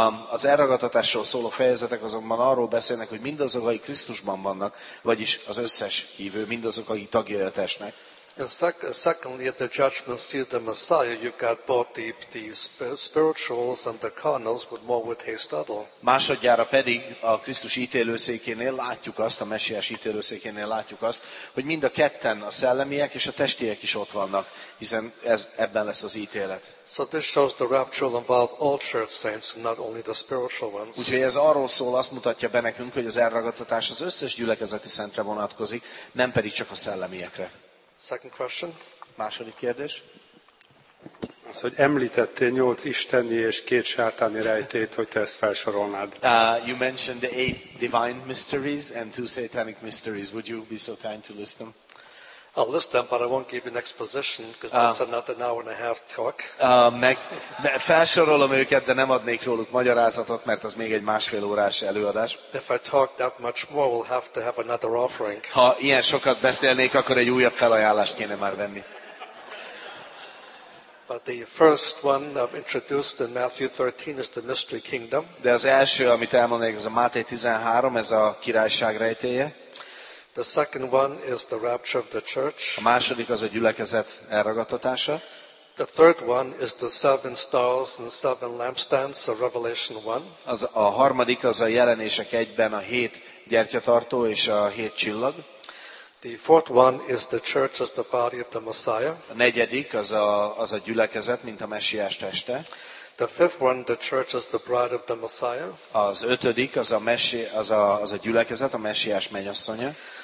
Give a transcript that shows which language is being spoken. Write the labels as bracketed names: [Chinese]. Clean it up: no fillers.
[Hungarian] Az elragadtatásról szóló fejezetek azonban arról beszélnek, hogy mindazok, akik Krisztusban vannak, vagyis az összes hívő, mindazok, akik tagjai a testnek. [English] And secondly, at the judgment seat of the Messiah, you got both the spirituals and the carnals, but more with haste double. [Hungarian] Másodjára pedig a Krisztus ítélőszékénél látjuk azt, a Mesiás ítélőszékénél látjuk azt, hogy mind a ketten a szellemiek és a testiek is ott vannak, hiszen ebben lesz az ítélet. [English] So this shows the rapture will involve all church saints, not only the spiritual ones. [Hungarian] Úgyhogy ez arról szól, azt mutatja be nekünk, hogy az elragadtatás az összes gyülekezeti szentre vonatkozik, nem pedig csak a szellemiekre. [English] Second question. [Hungarian] Második kérdés. Az, hogy említettél 8 isteni és 2 sátáni rejtét, hogy te ezt felsorolnád. [English] You mentioned the 8 divine mysteries and 2 satanic mysteries. Would you be so kind to list them? I'll list them, but I won't give you an exposition, because that's another an hour and a half talk. [Hungarian] Felsorolom őket, de nem adnék róluk magyarázatot, mert az még egy másfél órás előadás. [English] If I talk that much more, we'll have to have another offering. [Hungarian] Ha ilyen sokat beszélnék, akkor egy újabb felajánlást kéne már venni. [English] But the first one I've introduced in Matthew 13 is the mystery kingdom. [Hungarian] De az első, amit elmondanék, az a Máté 13, ez a királyság rejtélye. [English] The second one is the rapture of the church. [Hungarian] A második az a gyülekezet elragadtatása. [English] The third one is the 7 stars and 7 lampstands of Revelation 1. [Hungarian] A harmadik az a jelenések egyben a 7 gyertyatartó és a 7 csillag. [English] The fourth one is the church as the body of the Messiah. [Hungarian] A negyedik az a gyülekezet, mint a Messiás teste. [English] The fifth one, the church is the bride of the Messiah. [Hungarian] Az ötödik az a gyülekezet, a Messiás mennyasszonya.